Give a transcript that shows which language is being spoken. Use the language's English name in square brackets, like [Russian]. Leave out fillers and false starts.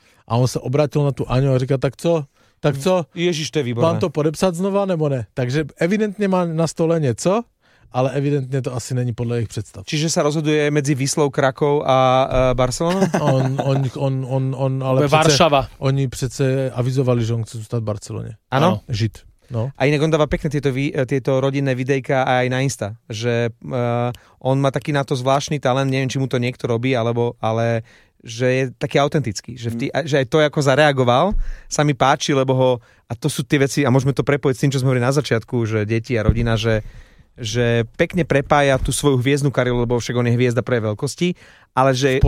[Czech] A on sa obrátil na tú Aňu a říkal, tak co? Tak co? [Slovak] Ježiš, to je výborné. [Czech] Mám to podepsat znova, nebo ne? Takže evidentne má na stole něco, ale evidentne to asi není [Slovak] podľa ich predstav. Čiže sa rozhoduje medzi Vyslou, Krakou a Barcelonou? On, ale [Czech] přece, Varšava. Oni přece avizovali, že on chce zůstat v Barcelone. [Slovak] Áno? [Czech] Žít. No. [Slovak] A inak on dáva pekne tieto rodinné videjka aj na Insta, že on má taký na to zvláštny talent, neviem, či mu to niekto robí, alebo, ale že je taký autentický, že aj to, ako zareagoval, sa mi páči, lebo ho, a to sú tie veci, a môžeme to prepojiť s tým, čo sme hovorili na začiatku, že deti a rodina, že pekne prepája tú svoju hviezdnu kariéru, lebo však on je hviezda prvej veľkosti, ale že...